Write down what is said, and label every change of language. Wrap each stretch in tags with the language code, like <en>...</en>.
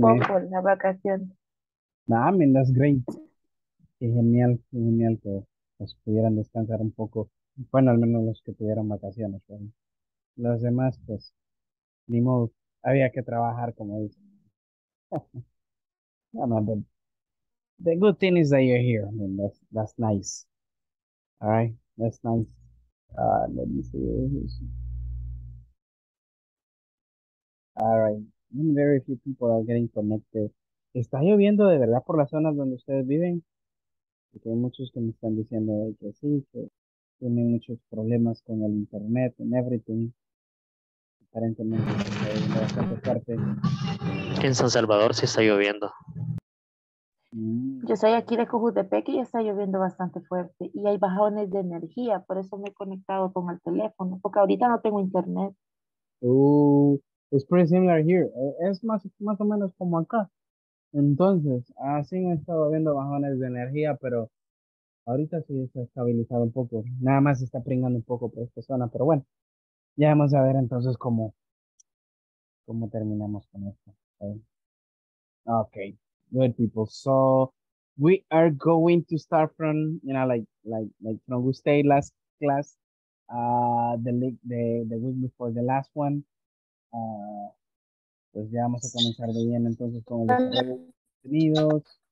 <es>Nah, poco la vacación.</es> <en>man, that's great.</en> <es>Qué genial que pudieran descansar un poco. Bueno, al menos los que tuvieron vacaciones, ¿verdad? Los demás, pues, ni modo, había que trabajar, como dicen.</es> <en>No, the good thing is that you're here. I mean, that's nice. All right, that's nice. Let me see. All right, very few people are getting connected.</en> <es>¿Está lloviendo de verdad por las zonas donde ustedes viven? Porque hay muchos que me están diciendo que sí, que tienen muchos problemas con el internet y everything. Aparentemente está lloviendo bastante fuerte. En San Salvador sí está lloviendo. Yo soy aquí de Cojutepeque y está lloviendo bastante fuerte y hay bajones de energía, por eso me he conectado con el teléfono, porque ahorita no tengo internet.</es> <en>It's pretty similar here.</en> <es>Es más o menos como acá. Entonces, así han estado habiendo bajones de energía, pero ahorita sí se ha estabilizado un poco. Nada más se está pringando un poco por esta zona, pero bueno, ya vamos a ver entonces cómo terminamos con esto.</es> <en>Okay, good people. So we are going to start from, from we stayed last class, the week before the last one.</en> <es>Pues ya vamos a comenzar de bien entonces con el desarrollo de contenidos.</es>